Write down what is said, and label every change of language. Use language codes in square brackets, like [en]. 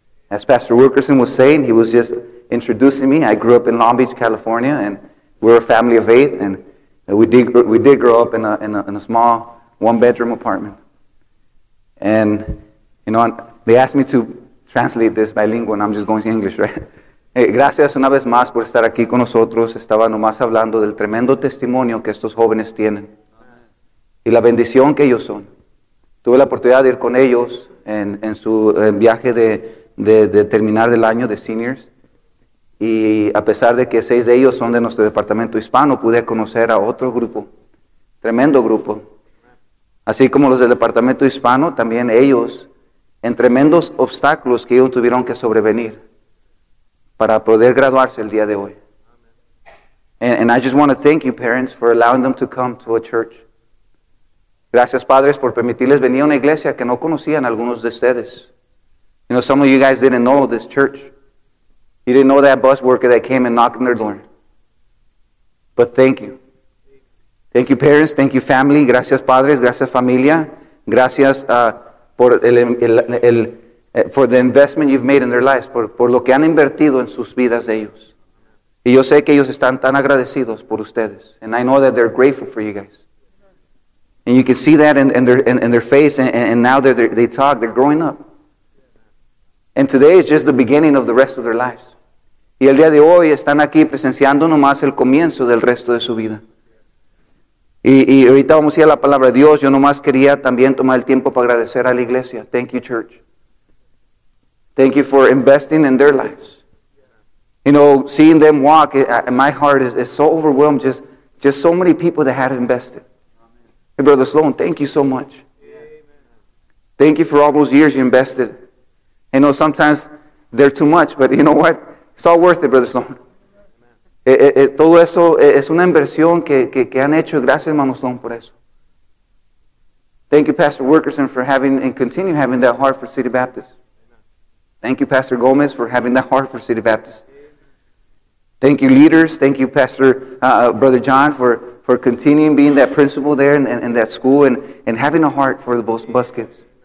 [en] As Pastor Wilkerson was saying, he was just introducing me. I grew up in Long Beach, California, and we're a family of eight, and we did grow up in a small one-bedroom apartment. And, you know, they asked me to translate this bilingual, and I'm just going to English, right? [es] Gracias una vez más por estar aquí con nosotros. Estaba nomás hablando del tremendo testimonio que estos jóvenes tienen y la bendición que ellos son. Tuve la oportunidad de ir con ellos en su viaje de terminar del año de seniors. Y a pesar de que seis de ellos son de nuestro departamento hispano, pude conocer a otro grupo, tremendo grupo. Así como los del departamento hispano, también ellos, en tremendos obstáculos que ellos tuvieron que sobrevenir para poder graduarse el día de hoy. [en] And I just want to thank you, parents, for allowing them to come to a church. [es] Gracias, padres, por permitirles venir a una iglesia que no conocían algunos de ustedes. [en] You know, some of you guys didn't know this church. You didn't know that bus worker that came and knocked on their door. But thank you. Thank you, parents. Thank you, family. [es] Gracias, padres. Gracias, familia. Gracias por el [en] for the investment you've made in their lives, [es] por lo que han invertido en sus vidas de ellos. Y yo sé que ellos están tan agradecidos por ustedes. [en] And I know that they're grateful for you guys. And you can see that in their face, and now they talk, they're growing up. And today is just the beginning of the rest of their lives. [es] Y el día de hoy están aquí presenciando nomás el comienzo del resto de su vida. Y ahorita vamos a ir a la palabra de Dios. Yo nomás quería también tomar el tiempo para agradecer a la iglesia. [en] Thank you, church. Thank you for investing in their lives. You know, seeing them walk, my heart is so overwhelmed. Just so many people that had invested. Hey, Brother Sloan, thank you so much. Amen. Thank you for all those years you invested. I know sometimes they're too much, but you know what? It's all worth it, Brother Sloan. [es] Todo eso es una inversión que han hecho. Gracias, hermano Sloan, por eso. [en] Thank you, Pastor Wilkerson, for having and continue having that heart for City Baptist. Thank you, Pastor Gomez, for having that heart for City Baptist. Thank you, leaders. Thank you, Pastor Brother John, for continuing being that principal there in that school and having a heart for the bus kids.